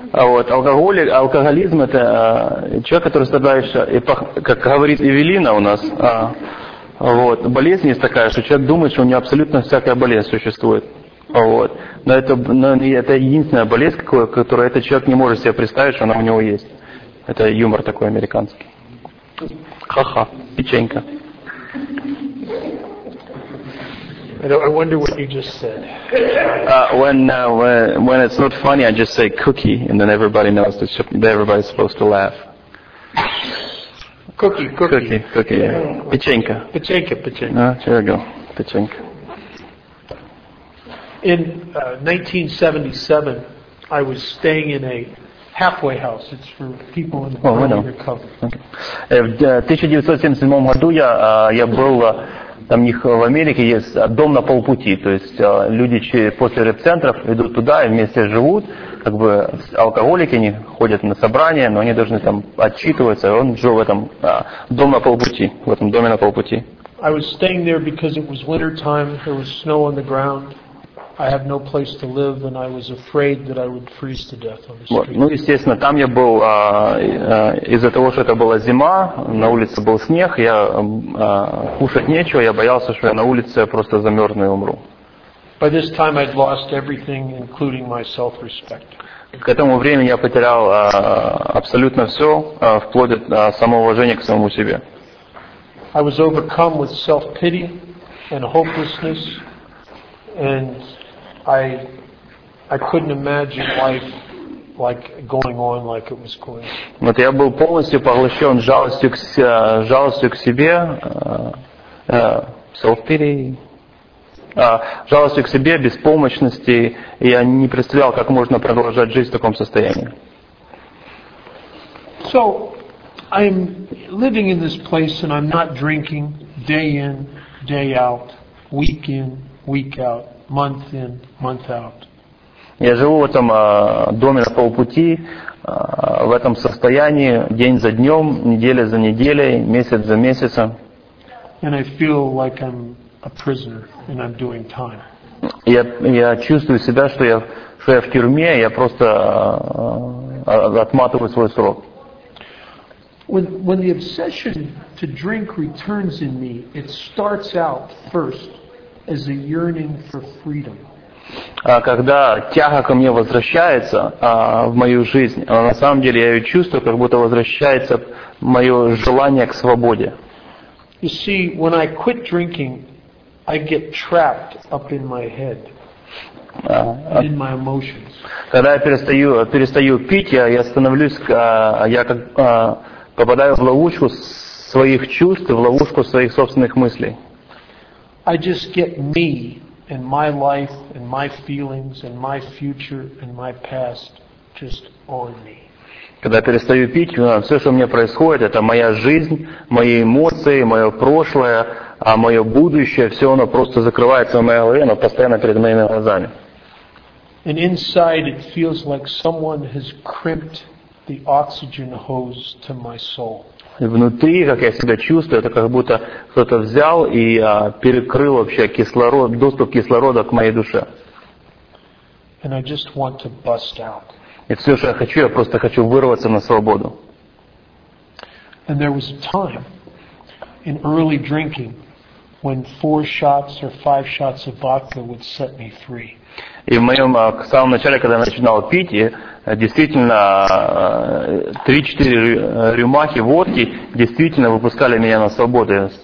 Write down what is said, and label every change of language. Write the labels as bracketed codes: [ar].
[ru] Вот алкоголизм это человек, который страдающий, как говорит Эвелина у нас. Вот болезнь есть такая, что человек думает, что у него абсолютно всякая болезнь существует. Вот. Но это единственная болезнь, которую этот человек не может себе представить, что она у него есть. Это юмор такой американский. Ха-ха, печенька. [en] I wonder what you just said. When it's not funny, I just say cookie, and then everybody knows that everybody's supposed to laugh. Cookie, yeah. Pechenka. Pechenka. There you go. Pechenka. In 1977, I was staying in a halfway house. It's for people in the early recovery. [ru] В 1977 году я был там у них в Америке есть дом на полпути, то есть люди после реп-центров идут туда и вместе живут, как бы алкоголики, они ходят на собрания, но они должны там отчитываться, и он жил в этом доме на полпути, в этом доме на полпути. [en] I was staying there because it was winter time, there was snow on the ground. I have no place to live, and I was afraid that I would freeze to death on the street. [ru] Ну, естественно, там я был из-за того, что это была зима, на улице был снег, я кушать нечего, я боялся, что я на улице просто замерзну и умру. [en] By this time, I'd lost everything, including my self-respect. [ru] К этому времени я потерял абсолютно все, вплоть до самоуважения к самому себе. [en] I was overcome with self-pity and hopelessness, and I couldn't imagine life like going on like it was going. [ru] Вот я был полностью поглощен жалостью к себе, жалостью к себе, беспомощности, и я не представлял, как можно продолжать жизнь в таком состоянии. [en] So I'm living in this place and I'm not drinking day in, day out, week in, week out. Month in, month out. [ru] Я живу в этом доме на полпути, в этом состоянии день за днем, неделя за неделей, месяц за месяцем. [en] And I feel like I'm a prisoner and I'm doing time. [ru] Я чувствую себя, что я в тюрьме, я просто отматываю свой срок. [en] When the obsession to drink returns in me, it starts out first as a yearning for freedom. [ru] Когда тяга ко мне возвращается в мою жизнь, на самом деле я ее чувствую, как будто возвращается мое желание к свободе. [en] You see, when I quit drinking, I get trapped up in my head, in my emotions. [ru] Когда я перестаю пить, я попадаю в ловушку своих чувств, в ловушку своих собственных мыслей. [en] I just get me and my life and my feelings and my future and my past just on me. [ru] Когда я перестаю пить, все, что у меня происходит, это моя жизнь, мои эмоции, мое прошлое, а мое будущее, все оно просто закрывается в моей голове, оно постоянно перед моими глазами. [en] And inside it feels like someone has crimped the oxygen hose to my soul. [ru] Внутри, как я себя чувствую, это как будто кто-то взял и перекрыл вообще кислород, доступ кислорода к моей душе. [en] And I just want to bust out. [ru] И все, что я хочу, я просто хочу вырваться на свободу. [en] And there was a time in early drinking when 4 shots or 5 shots of vodka would set me free. [ru] И в моем самом начале, когда я начинал пить, действительно 3-4 рюмахи водки действительно выпускали меня на свободу.